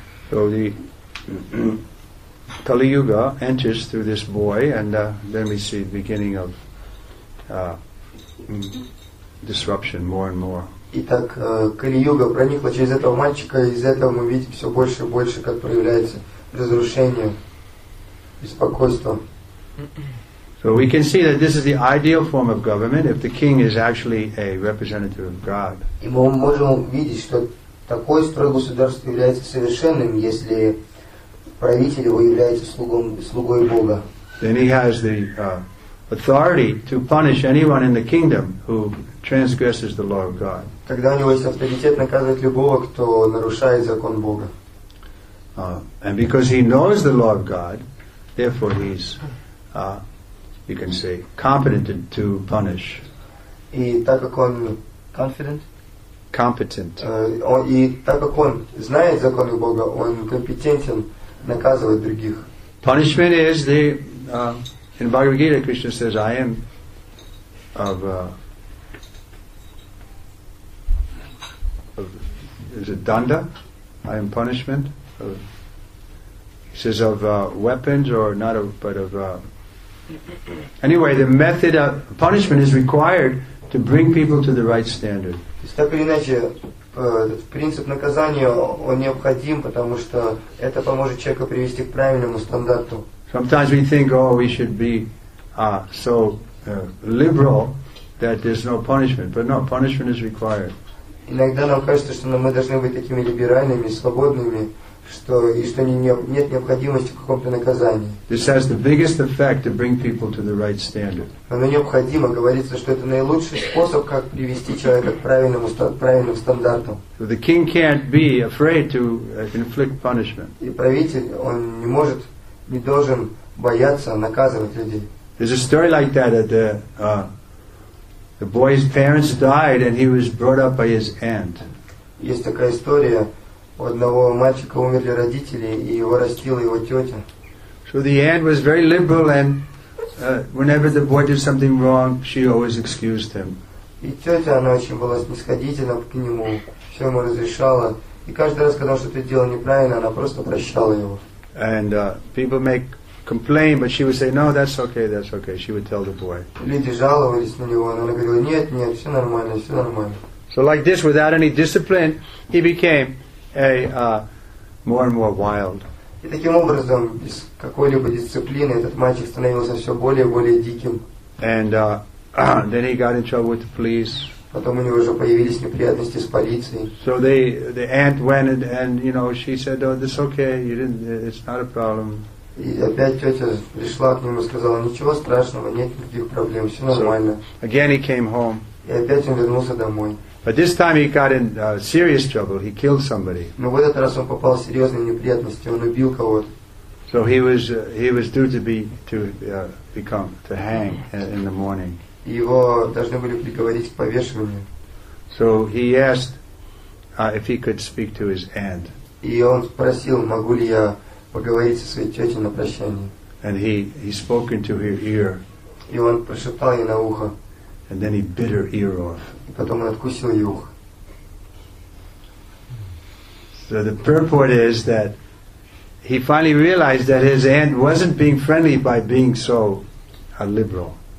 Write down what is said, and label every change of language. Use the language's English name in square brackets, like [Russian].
[English] So the Kali Yuga enters through this boy, and then we see the beginning of disruption more and more. [Russian] Итак, Кали Юга проникла через этого мальчика, и из этого мы видим все больше и больше, как проявляется разрушение. [English] So we can see that this is the ideal form of government if the king is actually a representative of God. [Russian] И мы можем увидеть, что такой строй государства является совершенным, если правитель его является слугой Бога. [English] Then he has the authority to punish anyone in the kingdom who transgresses the law of God. [Russian] Тогда у него есть авторитет наказывать любого, кто нарушает закон Бога. [English] And because he knows the law of God, therefore, he's, you can say, competent to punish. [Russian] И так как он [English] confident, competent. [Russian] И так как он знает законы Бога, он компетентен наказывать других. [English] Punishment is the in Bhagavad Gita, Krishna says, "I am of is it danda? I am punishment." It says of weapons or not of, but of anyway, the method of punishment is required to bring people to the right standard. [Russian] Так или иначе, принцип наказания он необходим, потому что это поможет человеку привести к правильному стандарту. [English] Sometimes we think, oh, we should be so liberal that there's no punishment, but no, punishment is required. [Russian] Иногда нам кажется, что мы должны быть такими либеральными, свободными. Что нет необходимости в каком-то наказании. [English] This has the biggest effect to bring people to the right standard. [Russian] Оно необходимо, говорится, что это наилучший способ, как привести человека к правильным стандартам. [English] So the king can't be afraid to inflict punishment. [Russian] И правитель, он не может, не должен бояться наказывать людей. [English] There's a story like that, that the boy's parents died and he was brought up by his aunt. [Russian] Есть такая история. У одного мальчика умерли родители, и его растила его тетя. [English] So the aunt was very liberal, and whenever the boy did something wrong, she always excused him. [Russian] И тетя, она очень была снисходительна к нему, все ему разрешала. И каждый раз, когда он что-то делал неправильно, она просто прощала его. [English] And people make complain, but she would say, no, that's okay, she would tell the boy. [Russian] Люди жаловались на него, но она говорила, нет, все нормально. [English] So like this, without any discipline, he became a more and more wild. [Russian] И таким образом, без какой-либо дисциплины, этот мальчик становился все более и более диким. [English] And then he got in trouble with the police. [Russian] Потом у него уже появились неприятности с полицией. [English] So the aunt went and you know, she said, oh, it's okay, you didn't, it's not a problem. [Russian] И опять тетя пришла к нему и сказала, ничего страшного, нет никаких проблем, все нормально. [English] So again he came home. [Russian] И опять он вернулся домой. [English] But this time he got in serious trouble. He killed somebody. [Russian] Но в этот раз он попал в серьезные неприятности. Он убил кого-то. [English] So he was due to be become to hang in the morning. [Russian] Его должны были приговорить к повешению. [English] So he asked if he could speak to his aunt. [Russian] И он спросил, могу ли я поговорить со своей тетей на прощание. [English] And he spoke into her ear. [Russian] И он прошептал ей на ухо. [English] And then he bit her ear off. [Russian] И потом он откусил ее ухо. [English] So the purport is that he finally realized that his aunt wasn't being friendly by being so liberal.